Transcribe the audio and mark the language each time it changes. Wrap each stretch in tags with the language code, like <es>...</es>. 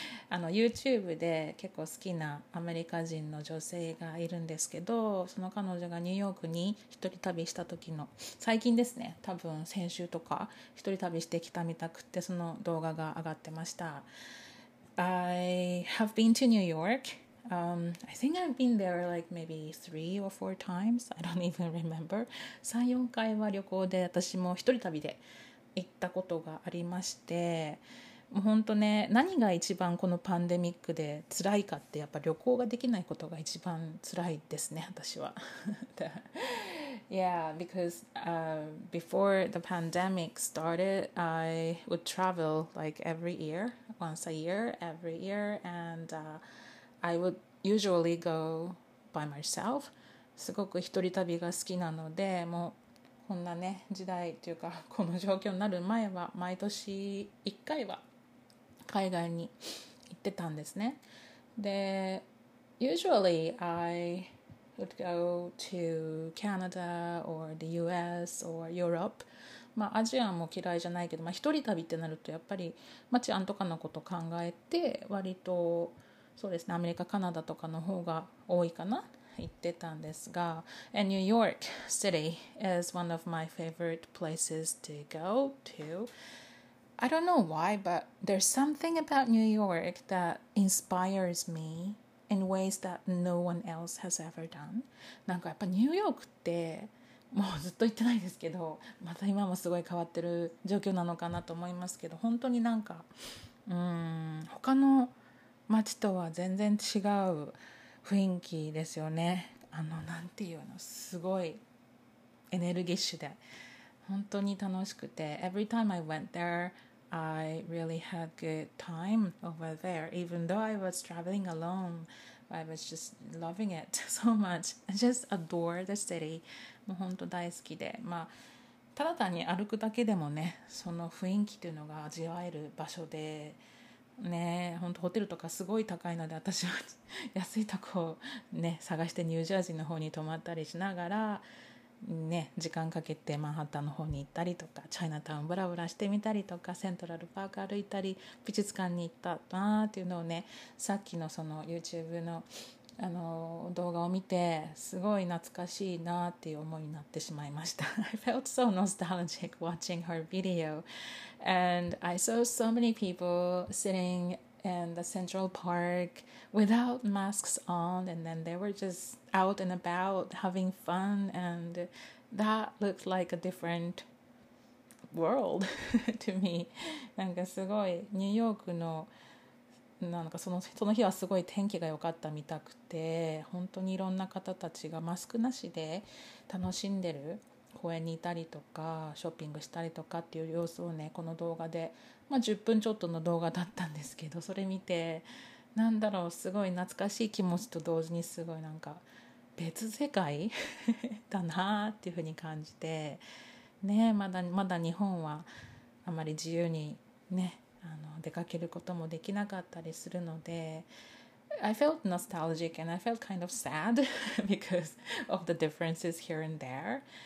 <ja>YouTube で結構好きなアメリカ人の女性がいるんですけど、その彼女がニューヨークに一人旅した時の、最近ですね、多分先週とか一人旅してきたみたくって、その動画が上がってました。</ja> <en>I have been to New York. I think I've been there like maybe 3 or 4 times. I don't even remember.</en> <ja>3-4回は旅行で、私も一人旅で行ったことがありまして、もう本当ね、何が一番このパンデミックで辛いかって、やっぱ旅行ができないことが一番辛いですね、私は。</ja> <en>Yeah, because before the pandemic started, I would travel like every year, once a year, every year, and I would usually go by myself.</en> <ja>すごく一人旅が好きなので、もうこんなね時代というかこの状況になる前は毎年1回は海外に行ってたんですね。で</ja> <en>usually I would go to Canada or the US or Europe、</en> <ja>まあ、アジアも嫌いじゃないけど、まあ、一人旅ってなるとやっぱり治安とかのこと考えて、割とそうですね、アメリカカナダとかの方が多いかな言ってたんですが、</ja> <en>and New York City is one of my favorite places to go to. I don't know why, but there's something about New York that inspires me in ways that no one else has ever done.</en> <ja>なんかやっぱニューヨークってもうずっと行ってないですけど、また今もすごい変わってる状況なのかなと思いますけど、本当になんか、他の街とは全然違う雰囲気ですよね。なんていうの、すごいエネルギッシュで、本当に楽しくて</ja> <en>Every time I went there I really had good time over there Even though I was traveling aloneI was just loving it so much. I just adore the city.</en> <ja>もう本当大好きで、まあ、ただ単に歩くだけでもね、その雰囲気というのが味わえる場所で、ね、本当ホテルとかすごい高いので、私は安いとこを、ね、探してニュージャージーの方に泊まったりしながら、ね、時間かけてマンハッタンの方に行ったりとか、チャイナタウンブラブラしてみたりとか、セントラルパーク歩いたり、美術館に行ったなーっていうのをね、さっきのその YouTube の、動画を見て、すごい懐かしいなーっていう思いになってしまいました。</ja> <en>I felt so nostalgic watching her video. And I saw so many people sitting in the Central Park without masks on, and then they were just... out and about having fun and that looked like a different world to me</en> <ja>なんかすごいニューヨークのなんかその日はすごい天気が良かったみたくて本当にいろんな方たちがマスクなしで楽しんでる公園にいたりとかショッピングしたりとかっていう様子をねこの動画で、まあ、10分ちょっとの動画だったんですけどそれ見てなんだろうすごい懐かしい気持ちと同時にすごいなんか別世界だなっていうふうに感じてねまだ日本はあまり自由にね出かけることもできなかったりするので</ja> <en>I felt nostalgic and I felt kind of sad because of the differences here and there</en>